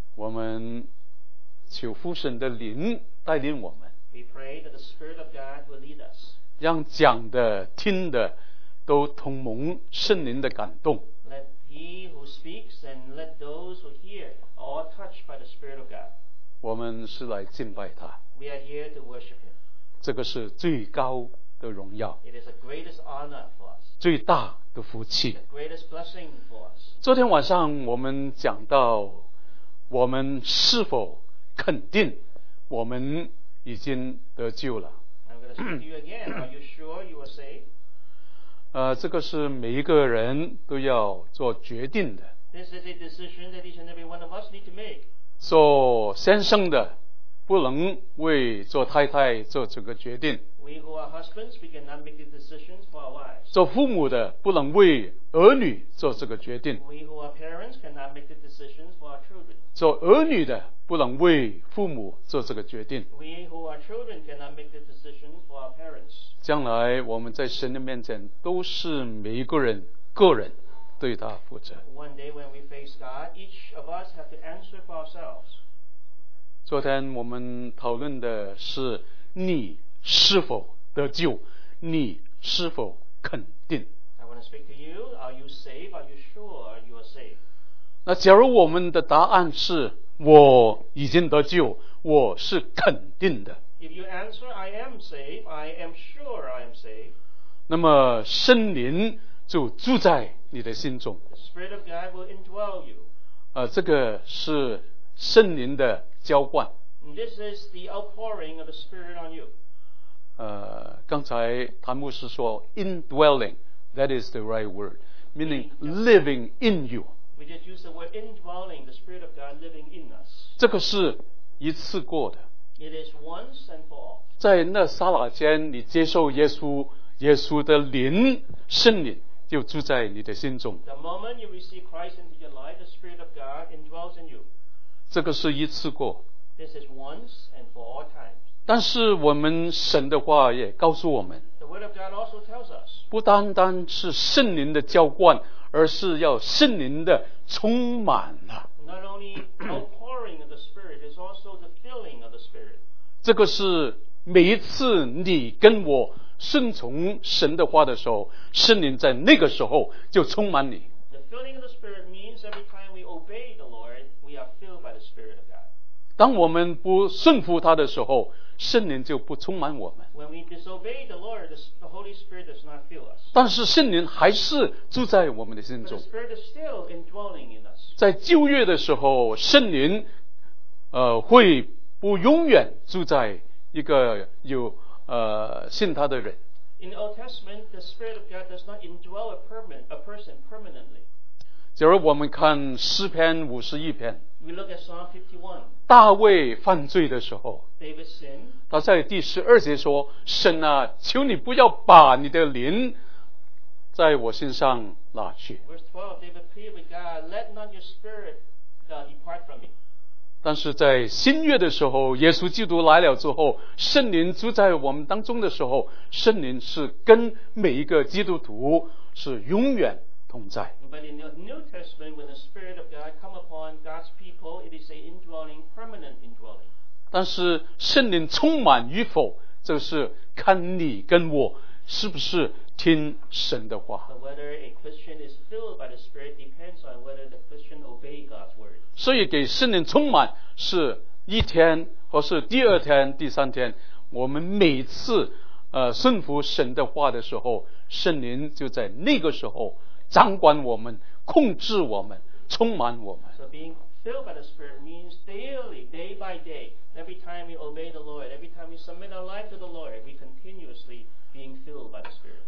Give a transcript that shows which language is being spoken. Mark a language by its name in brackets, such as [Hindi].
[Chinese] 我们求父神的灵带领我们。 [English] We pray that the Spirit of God will lead us. [Chinese] 让讲的、听的都同蒙圣灵的感动。 [English] Let he who speaks and let those who hear all touched by the Spirit of God. [Chinese] 我们是来敬拜他。 [English] We are here to worship him. [Chinese] 这个是最高的荣耀。 [English] It is the greatest honor for us. [Chinese] 最大的福气。 [English] The greatest blessing for us. [Chinese] 昨天晚上我们讲到，我们是否肯定我们已经得救了。 [English] I'm going to speak to you again. Are you sure you are saved? [Chinese] 这个是每一个人都要做决定的。 [English] This is a decision that each and every one of us need to make. [Chinese] 做先生的不能为做太太做这个决定。 [English] We who are husbands, we cannot make the decisions for our wives. [Chinese] 做父母的不能为儿女做这个决定。 [English] We who are parents cannot make the decisions for our children. [Chinese] 做儿女的不能为父母做这个决定。 [English] We who are children cannot make the decisions for our parents. [Chinese] 将来我们在神的面前都是每一个人个人对他负责。 [English] One day when we face God, each of us have to answer for ourselves. [Chinese] 昨天我们讨论的是你是否得救，你是否肯定。 [English] I want to speak to you. Are you safe? Are you sure you are safe? [Chinese] 那假如我们的答案是我已经得救，我是肯定的。 [English] If you answer, I am safe. I am sure I am safe. [Chinese] 那么圣灵就住在你的心中。 [English] The Spirit of God will indwell you. [Chinese] 这个是圣灵的浇灌。 [English] This is the outpouring of the Spirit on you. [Chinese] 刚才谭牧师说 [English] indwelling, that is the right word, meaning living in you. We just use the word indwelling, the Spirit of God living in us. [Chinese] 这个是一次过的。 [English] It is once and for all. [Chinese] 在那刹那间，你接受耶稣，耶稣的灵，圣灵就住在你的心中。 [English] The moment you receive Christ into your life, the Spirit of God indwells in you. [Chinese] 这个是一次过。 [English] This is once and for all times. [Chinese] 但是我们神的话也告诉我们。 [English] The word of God also tells us. [Chinese] 不单单是圣灵的浇灌，而是要圣灵的充满了。 [English] Not only outpouring of the Spirit, it's also the filling of the Spirit. [Chinese] 这个是每一次你跟我顺从神的话的时候，圣灵在那个时候就充满你。 [English] The filling of the Spirit means every time we obey the Lord, we are filled by the Spirit of God. [Chinese] 当我们不顺服他的时候，圣灵就不充满我们。 [English] When we disobey the Lord, the Holy Spirit does not fill us. [Chinese] 但是圣灵还是住在我们的心中。 [English] But the Spirit is still indwelling in us. [Chinese] 在旧约的时候，圣灵会不永远住在一个有信他的人。 [English] In the Old Testament, the Spirit of God does not indwell a person permanently. [Chinese] 假如我们看诗篇五十一篇。 [English] We look at Psalm 51. [Chinese] 大卫犯罪的时候 [English] David sinned, [Chinese] 他在第十二节说神啊求你不要把你的灵在我身上拿去 [English] Verse 12, David pleaded with God, let not your spirit depart from me. [Chinese] 但是在新约的时候耶稣基督来了之后圣灵住在我们当中的时候圣灵是跟每一个基督徒是永远同在 [English] But in the New Testament, when the Spirit of God come upon God's people, it is an indwelling, permanent indwelling. [Chinese] 但是圣灵充满与否，这是看你跟我是不是听神的话。 [English] But whether a Christian is filled by the Spirit depends on whether the Christian obeys God's word. [Chinese] 所以给圣灵充满是一天，或是第二天、第三天，我们每次顺服神的话的时候，圣灵就在那个时候。掌管我们控制我们充满我们 [English] so being filled by the spirit means daily day by day every time we obey the Lord every time we submit our life to the Lord we continuously being filled by the spirit